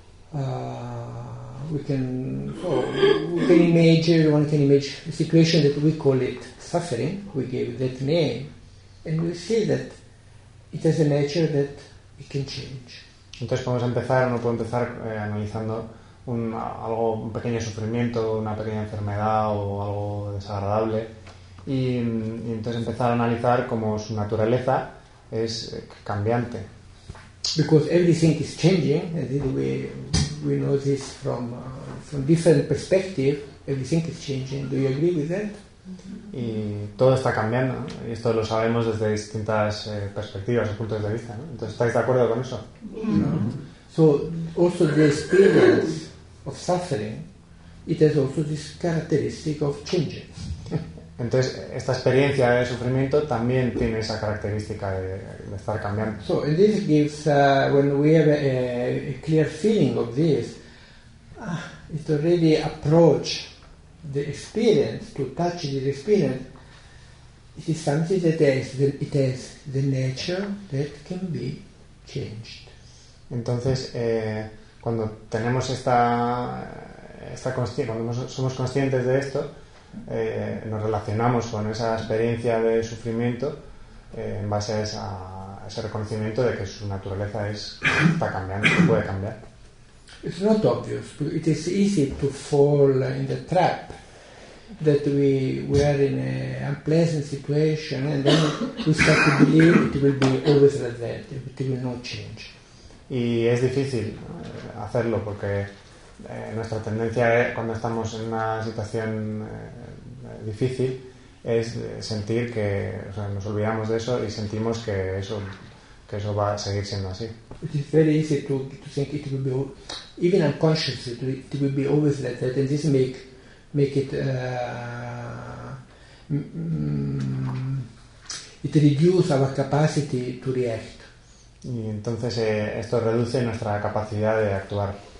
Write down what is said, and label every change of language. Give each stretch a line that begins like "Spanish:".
English: One can imagine a situation that we call it suffering, we gave that name, and we see that it has a nature that it can change.
Spanish: Entonces podemos empezar, uno puede empezar analizando un pequeño sufrimiento, una pequeña enfermedad o algo desagradable, y entonces empezar a analizar cómo su naturaleza es cambiante.
English: Because everything is changing, and we know this from different perspective, everything is changing. Do you agree with that?
Spanish: Y todo está cambiando, ¿no? Y esto lo sabemos desde distintas perspectivas o puntos de vista, ¿no? Entonces, ¿estáis de acuerdo con eso? No.
English: So also the experience of suffering, it has also this characteristic of changing.
Spanish: Entonces, esta experiencia de sufrimiento también tiene esa característica de estar cambiando.
English: So, and this gives, when we have a clear feeling of this, it already approach the experience, to touch the experience, it is something that it has the nature that can be changed.
Spanish: Entonces, cuando tenemos esta consciencia, cuando somos conscientes de esto, nos relacionamos con esa experiencia de sufrimiento en base a ese reconocimiento de que su naturaleza está cambiando, puede cambiar.
English: It's not obvious, but it is easy to fall in the trap that we are in a unpleasant situation and then we start to believe it will be always like that, it will not change.
Spanish: Y es difícil hacerlo porque nuestra tendencia cuando estamos en una situación difícil es sentir que, o sea, nos olvidamos de eso y sentimos que eso va a seguir siendo así.
English: It's very easy to think it will be even unconscious. It will be always like that, and this make it it reduce our capacity to react.
Spanish: Y entonces esto reduce nuestra capacidad de actuar.